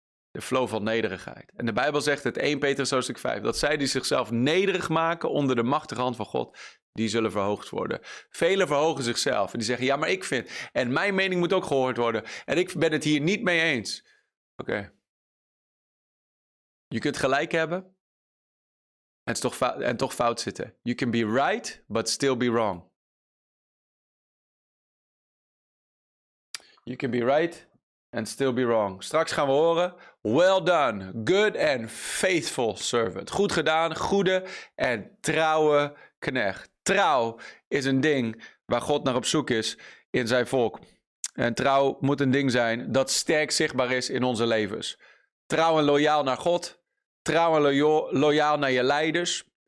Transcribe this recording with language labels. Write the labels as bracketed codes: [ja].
[nl] De flow van nederigheid. En de Bijbel zegt het 1 Petrus hoofdstuk 5, dat zij die zichzelf nederig maken onder de machtige hand van God, die zullen verhoogd worden. Velen verhogen zichzelf en die zeggen, ja, maar ik vind, en mijn mening moet ook gehoord worden, en ik ben het hier niet mee eens. Oké. Je kunt gelijk hebben en toch fout zitten. [en] You can be right, but still be wrong. You can be right and still be wrong. [nl] Straks gaan we horen. [en] Well done, good and faithful servant. [nl] Goed gedaan, goede en trouwe knecht. Trouw is een ding waar God naar op zoek is in zijn volk. En trouw moet een ding zijn dat sterk zichtbaar is in onze levens. Trouw en loyaal naar God. Trouw en loyaal naar je leiders.